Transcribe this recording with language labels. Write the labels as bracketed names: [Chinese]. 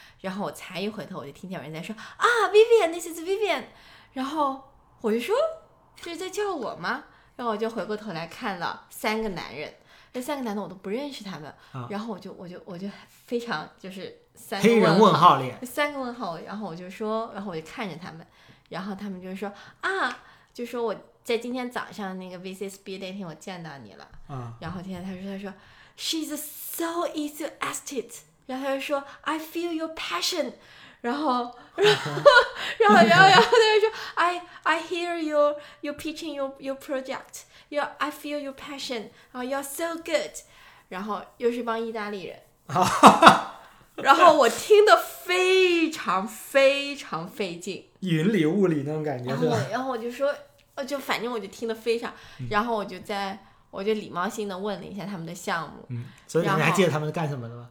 [Chinese] 然后我才一回头我就听见有人在说啊 [English] Vivian this is Vivian， [Chinese] 然后我就说这是在叫我吗，然后我就回过头来看了三个男人，这三个男的我都不认识他们，啊，然后我就非常就是黑人问号脸，三个问号，然后我就说，然后我就看着他们，然后他们就说啊，就说我在今天早上那个 [English] VC speed dating [Chinese] 我见到你了，啊，然后他说 [English] she's so enthusiastic， [Chinese] 然后他就说 [English] I feel your passion， [Chinese] 然后他就说 [English] I hear you pitching your project， I feel your passion， you're so good， [Chinese] 然后又是帮意大利人。然后我听得非常非常费劲，云里雾里那种感觉。然后我就说，就反正我就听得非常，嗯，然后我就礼貌性的问了一下他们的项目，嗯，所以你还记得他们干什么的吗？